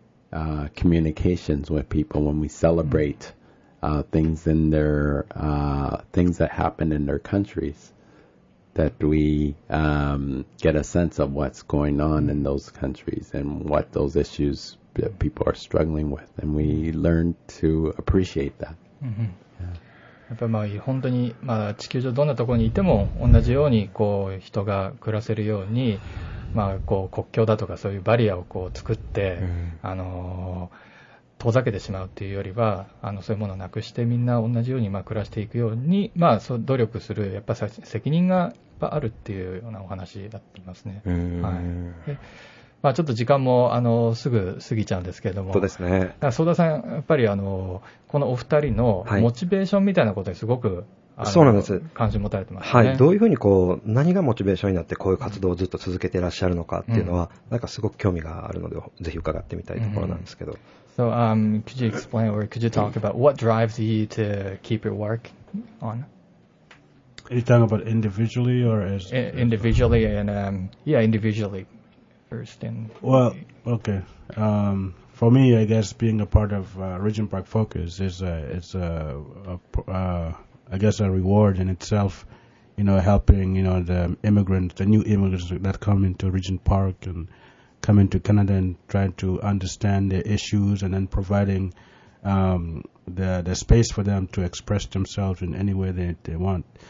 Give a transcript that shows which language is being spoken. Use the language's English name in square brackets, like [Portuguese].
[English] communications with people, when we celebrate things in their things that happen in their countries, that we get a sense of what's going on in those countries and what those issues that people are struggling with, and we learn to appreciate that. [Japanese] やっぱまあ本当にまあ地球上どんなところにいても同じようにこう人が暮らせるようにまあこう国境だとかそういうバリアをこう作って遠ざけてしまうというよりはそういうものをなくしてみんな同じようにまあ暮らしていくようにまあ努力するやっぱ責任がやっぱあるというようなお話だと思いますね。はい。まあ、ちょっと時間もすぐ過ぎちゃうんですけれども、そうですね、相田さん、やっぱりこのお二人のモチベーションみたいなことにすごく、はい、そうなんです関心持たれてますね、はい、どういうふうにこう何がモチベーションになってこういう活動をずっと続けていらっしゃるのかっていうのは、うん、なんかすごく興味があるのでぜひ伺ってみたいところなんですけど、うん、 [English] So, could you explain or could you talk about what drives you to keep your work on? Are you talking about individually or as... Individually and... yeah, individually first and... Well, okay. For me, I guess being a part of Region Park Focus is I guess a reward in itself, you know, helping, you know, the immigrants, the new immigrants that come into Region Park and come into Canada and trying to understand their issues and then providing the space for them to express themselves in any way that they want.